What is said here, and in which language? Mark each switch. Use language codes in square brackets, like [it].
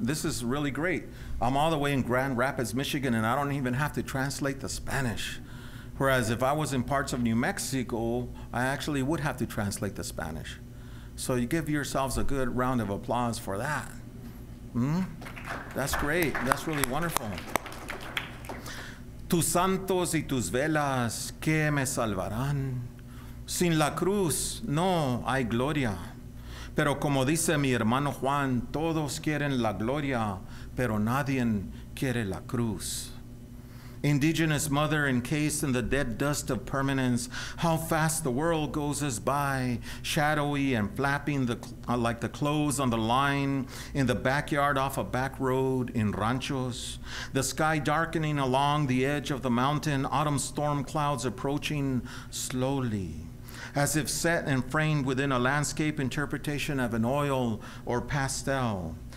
[en] This is really great. I'm all the way in Grand Rapids, Michigan, and I don't even have to translate the Spanish. Whereas if I was in parts of New Mexico, I actually would have to translate the Spanish. So you give yourselves a good round of applause for that. That's great. That's really wonderful. [es] Tus santos y tus velas, ¿qué me salvarán? Sin la cruz, no hay gloria. Pero como dice mi hermano Juan, todos quieren la gloria, pero nadie quiere la cruz. [en] Indigenous mother encased in the dead dust of permanence, how fast the world goes us by, shadowy and flapping like the clothes on the line in the backyard off a back road in ranchos, the sky darkening along the edge of the mountain, autumn storm clouds approaching slowly, as if set and framed within a landscape interpretation of an oil or pastel.